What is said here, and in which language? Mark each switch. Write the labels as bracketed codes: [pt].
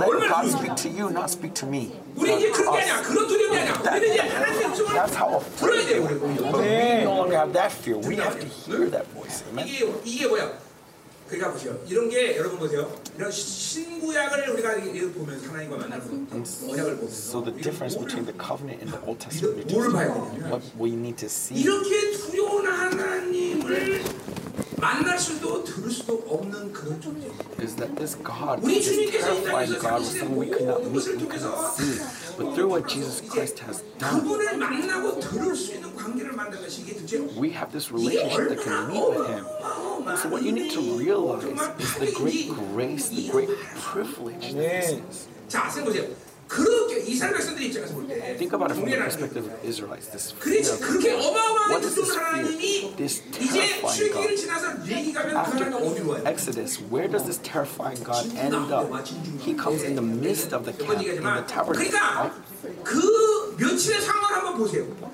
[en] Let God speak to you, not speak to me. [ko] 우리 이제 그런 게 아니야. 그런 두려움이 아니야. 우리는 이제 하나님의 음성을 [en] That's how afraid they were. We no longer have that fear. We have to hear that voice. [ko] 이게 뭐야? 그러니까 보세요. 이런 게 여러분 보세요. 이런 신구약을 우리가 보면 하나님과 만나는 언약을 보면 [en] So the difference between the covenant and the Old Testament. What we need to see. [ko] 이렇게 두려운 하나님을 만날 수도 들을 수도 없는 그런 존재. [en] Is that this God? [ko] 우리 주님께서 이 땅에 계셨던 [en] We could not meet Him. But through what Jesus Christ has done, [ko] 그분을 만나고 들을 수 있는 관계를 만든 것이 이게 도대체 [en] We have this relationship that can meet with Him. So what you need to realize is the great grace, the great privilege. [ko] 자, 생각해 보세요. 그렇게 이스라엘 백성들 입장에서 볼 때 [en] Think about it from the perspective of Israelites. This fear. [ko] 그렇지, 그렇게 어마어마한 듣던 하나님이 이제 출애굽을 지나서 레위기 가면 [en] After [ko] 그 하나님 어디로 와요? [en] Exodus, where does this terrifying God end up? He comes in the midst of the camp, in the tabernacle. [ko] 그러니까 [en] right? [ko] 그 며칠의 상황을 한번 보세요.